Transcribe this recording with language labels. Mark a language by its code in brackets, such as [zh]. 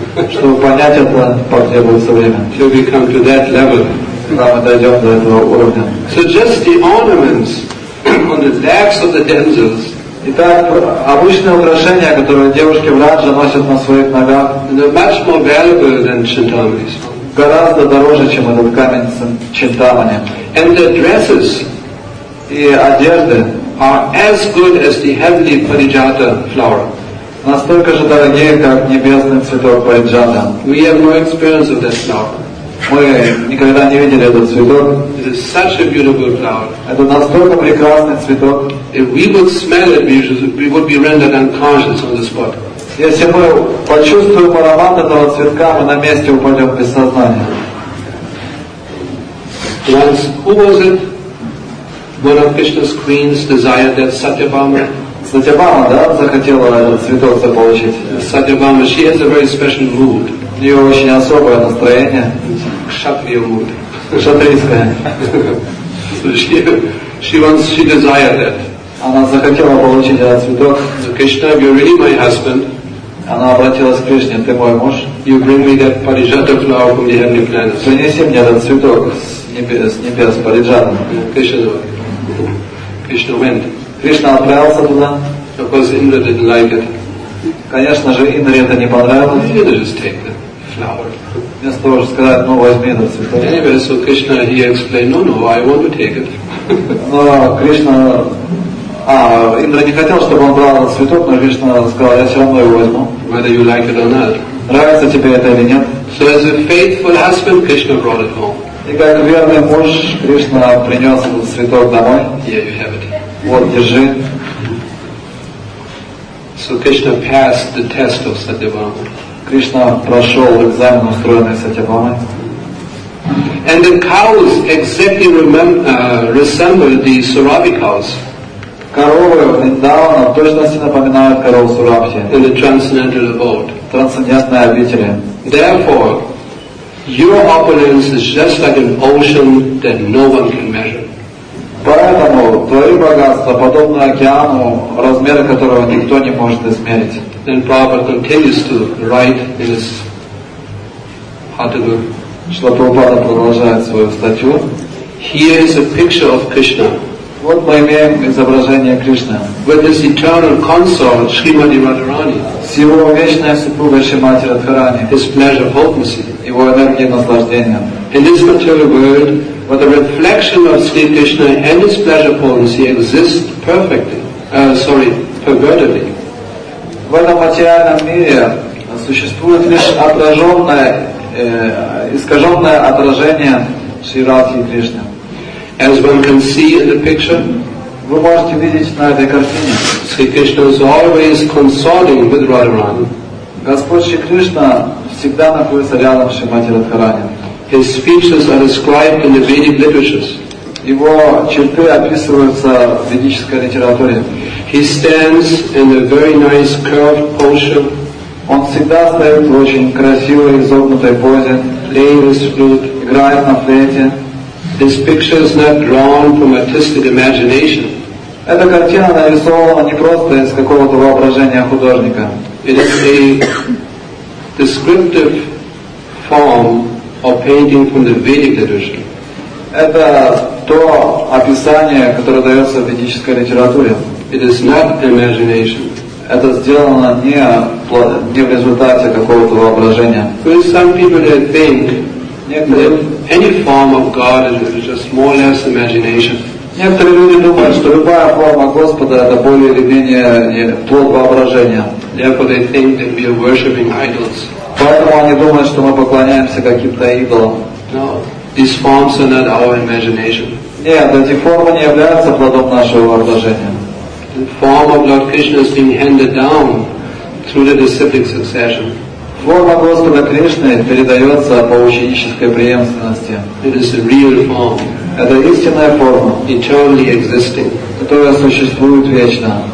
[ru] Чтобы понять это, потребуется время. [en] Till we come to that level. So just the ornaments on the legs of the damsels. [ru] Итак, обычные украшения, которые девушки в раджа носят на своих ногах, [en] they're much more valuable than Chintamani stone. [ru] гораздо дороже, чем этот камень Чинтамани. [en] And the dresses, [ru] и одежды, [en] are as good as the heavenly Parijata flower. [ru] Настолько же дорогие, как небесный цветок Парижата. [en] We have no experience of that flower. [ru] Мы никогда не видели этот цветок. [en] It is such a beautiful flower. [ru] Это настолько прекрасный цветок. [en] If we would smell it, we would be rendered unconscious on the spot. [ru] Если мы почувствуем аромат этого цветка, мы на месте упадем без сознания. [en] Once, who was it? One of Krishna's queens desired that Satyabhama. [ru] Satyabhama, да, захотела этот цветок заполучить. [en] Satyabhama, she has a very special mood. [ru] У нее очень особое настроение. [en] Кшатрия муд. [ru] Кшатрийская. [en] So she desired that. [ru] Она захотела получить этот цветок. [en] So Krishna, you're really my husband. [ru] Она обратилась к Кришне, ты мой муж. [en] You bring me that Parijata flower from the heavenly planet. [ru] Принеси мне этот цветок с небес Парижата. [en] Кришна went. [ru] Кришна отправился туда. [en] Of course, Indra didn't like it. [ru] Конечно же, Индре это не понравилось. [en] Indra just take the flower. [ru] Вместо того, чтобы сказать, ну, возьми этот цветок. [en] Anyway, so Krishna, he explained, no, I want to take it. [ru] Но Кришна... Индра не хотел, чтобы он брал этот цветок, но Кришна сказал, я все равно его возьму. [en] Whether you like it or not. [ru] Нравится тебе это или нет. [en] So as a faithful husband, Krishna brought it home. [ru] И как верный муж, Кришна принес этот цветок домой. [en] Here you have it. [ru] Вот, держи. [en] So Krishna passed the test of Satyabhama. [ru] Krishna прошел экзамен, устроенный Сатьябхамой. [en] And the cows exactly resemble the Surabhi cows. [ru] Коровы в Вриндаване в точности напоминают коров Сурабхи. [en] In the transcendental abode. [ru] Трансцендентные обители. [en] Therefore, your opulence is just like an ocean that no one can measure. [ru] Поэтому твои богатства подобны океану, размеры которого никто не может измерить. [en] Then Prabhupada continues to write in his Hatagur. [ru] Шрила Прабхупада продолжает свою статью. [en] Here is a picture of Krishna. [ru] Вот мы имеем изображение Кришны. [en] With his eternal consort Shrimati Radharani. [ru] С его вечной супругой Шримати Радхарани. [en] His pleasure potency. [ru] Его энергия наслаждения. [en] In this material world, but the reflection of Sri Krishna and his pleasure potency exists perfectly, pervertedly. [ru] В этом материальном мире существует лишь отраженное, искаженное отражение Шри Радхи Кришны. [en] As one can see in the picture, [ru] вы можете видеть на этой картине, [en] Sri Krishna is always consorting with Radharani. [ru] Господь Шри Кришна всегда находится рядом с Шримати Радхарани. [en] His features are described in the Vedic literatures. [ru] Его черты описываются в ведической литературе. [en] He stands in a very nice curved posture. [ru] Он всегда стоит в очень красивой изогнутой позе. [en] Playing his flute. [ru] Играет на флейте. [en] His picture is not drawn from artistic imagination. [ru] Эта картина нарисована не просто из какого-то воображения художника. [en] It is a descriptive form or painting from the Vedic literature. [ru] Это то описание, которое дается в ведической литературе. [en] It is not imagination. [ru] Это сделано не в результате какого-то воображения. [en] For some people that think that any form of God is just more or less imagination. [ru] Некоторые люди думают, что любая форма Господа это более или менее плод воображения. [en] Therefore they think that we are worshipping idols. [ru] Поэтому они думают, что мы поклоняемся каким-то идолам. [en] No, these forms are not our imagination. [ru] Нет, эти формы не являются плодом нашего воображения. [en] The form of Lord Krishna is being handed down through the disciplic succession. [ru] Форма Господа Кришны передается по ученической преемственности. [en] It is a real form. [ru] Это истинная форма. [en] Eternally existing. [ru] Которая существует вечно.